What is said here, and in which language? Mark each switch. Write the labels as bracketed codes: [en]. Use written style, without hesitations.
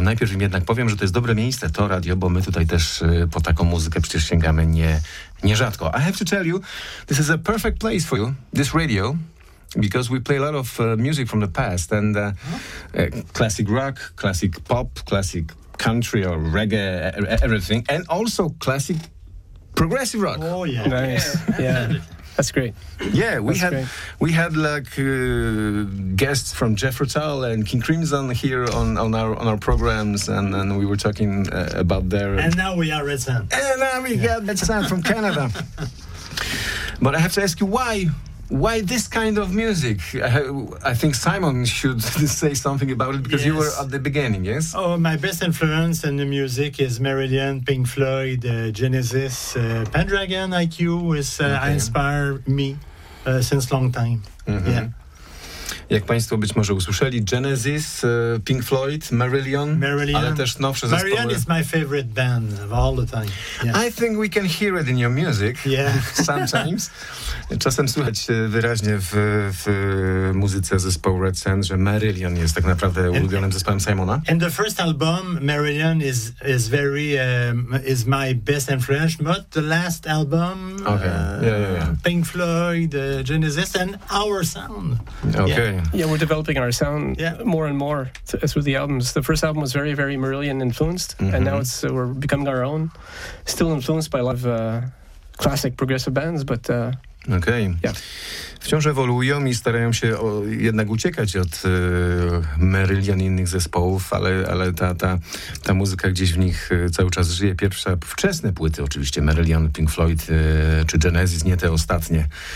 [pl] Najpierw im jednak powiem, że to jest dobre miejsce, to radio, bo my tutaj też po taką muzykę przecież sięgamy nierzadko. [en] I have to tell you, this is a perfect place for you, this radio, because we play a lot of music from the past, and classic rock, classic pop, classic country or reggae, everything, and also classic progressive rock. Oh, yeah. Nice. Yeah. That's great. Yeah, we had guests from Jeff Rotal and King Crimson here on our programs, and we were talking about their... And now we are Red Sand. And now we got Red Sand from Canada. But I have to ask you, why why this kind of music? I think Simon should say something about it, because yes, you were at the beginning, yes? Oh, my best influence in the music is Meridian, Pink Floyd, Genesis, Pendragon, IQ, which inspired me since long time. Mm-hmm. Yeah. [pl] Jak państwo być może usłyszeli, Genesis, Pink Floyd, Marillion, ale też nowsze zespoły. [en] Marillion is my favorite band of all the time. Yeah. I think we can hear it in your music, yeah. Sometimes. [pl] Czasem słychać wyraźnie w muzyce zespołu Red Sands, że Marillion jest tak naprawdę ulubionym zespołem Simona. [en] And the first album, Marillion, is very is my best influence, but the last album, okay. Pink Floyd, Genesis, and our sound. Okay. Okay. Yeah, we're developing our sound more and more through the albums. The first album was very, very Marillion influenced, mm-hmm. and now it's we're becoming our own. Still influenced by a lot of classic progressive bands, but... [pl] Okej. [en] Okay. Yeah. [pl] Wciąż ewoluują i starają się jednak uciekać od Marillion i innych zespołów, ale ta muzyka gdzieś w nich cały czas żyje. Pierwsze wczesne płyty oczywiście, Marillion, Pink Floyd czy Genesis, nie te ostatnie.